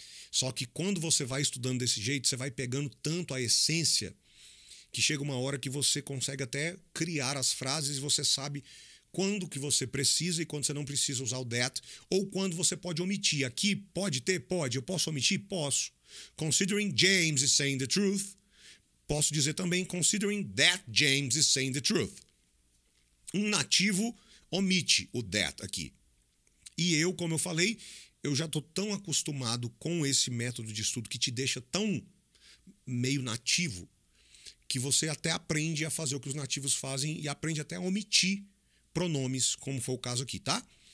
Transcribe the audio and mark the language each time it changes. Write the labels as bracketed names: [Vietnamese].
[Portuguese] Só que quando você vai estudando desse jeito, você vai pegando tanto a essência que chega uma hora que você consegue até criar as frases e você sabe quando que você precisa e quando você não precisa usar o that, ou quando você pode omitir. Aqui pode ter? Pode. Eu posso omitir? Posso. [English] Considering James is saying the truth, [Portuguese] posso dizer também [English] considering that James is saying the truth. [Portuguese] Um nativo omite o that aqui. E eu, como eu falei, eu já estou tão acostumado com esse método de estudo que te deixa tão meio nativo que você até aprende a fazer o que os nativos fazem e aprende até a omitir pronomes, como foi o caso aqui, tá?